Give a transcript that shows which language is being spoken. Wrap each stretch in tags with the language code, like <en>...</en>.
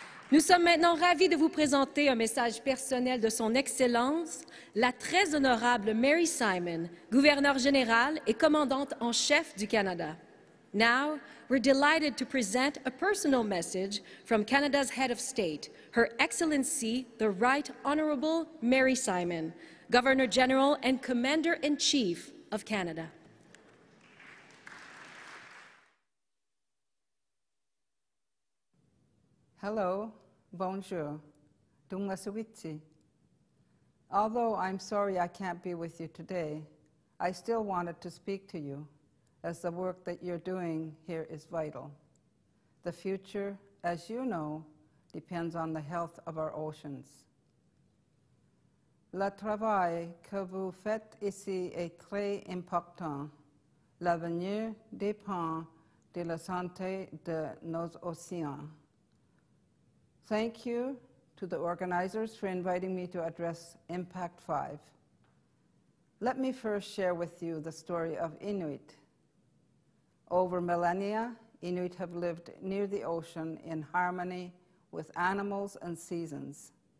<fr>Nous sommes maintenant ravis de vous présenter un message personnel de son excellence, la très honorable Mary Simon, gouverneure générale et commandante en chef du Canada.</fr> <en>Now, we're delighted to present a personal message from Canada's head of state, Her Excellency, the Right Honorable Mary Simon, Governor General and Commander-in-Chief of Canada. Hello, bonjour, dunga suwitsi. Although I'm sorry I can't be with you today, I still wanted to speak to you, as the work that you're doing here is vital. The future, as you know, depends on the health of our oceans.</en> <fr>Le travail que vous faites ici est très important. L'avenir dépend de la santé de nos océans.</fr> <en>Thank you to the organizers for inviting me to address IMPAC5. Let me first share with you the story of Inuit. Over millennia, Inuit have lived near the ocean in harmony with animals and seasons.</en>